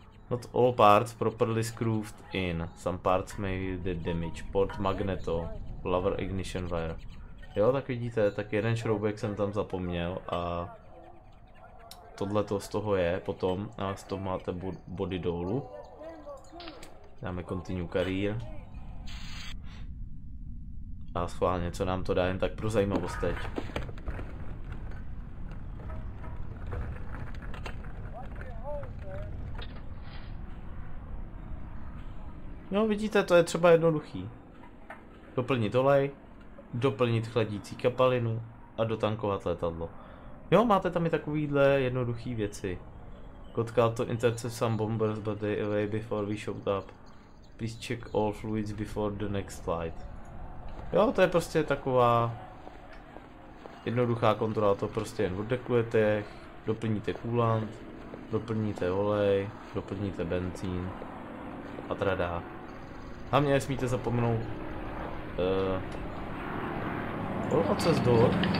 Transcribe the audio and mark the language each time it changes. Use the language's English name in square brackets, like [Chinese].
[English] Not all parts properly screwed in, some parts may be damaged, port magneto, lower ignition wire. [Czech] Jo, tak vidíte, tak jeden šroubek jsem tam zapomněl a tohle to z toho je, potom a z toho máte body dolů. Dáme continue career. A schválně, co nám to dá, jen tak pro zajímavost teď. No vidíte, to je třeba jednoduchý. Doplnit olej, doplnit chladící kapalinu a dotankovat letadlo. Jo, máte tam i takovýhle jednoduchý věci. [English] God called to intercept some bombers, but they away before we showed up. Please check all fluids before the next flight. [Czech] Jo, to je prostě taková jednoduchá kontrola, to prostě jen oddekujete, doplníte coolant, doplníte olej, doplníte benzín a tradá. A mě nesmíte zapomenout proces door.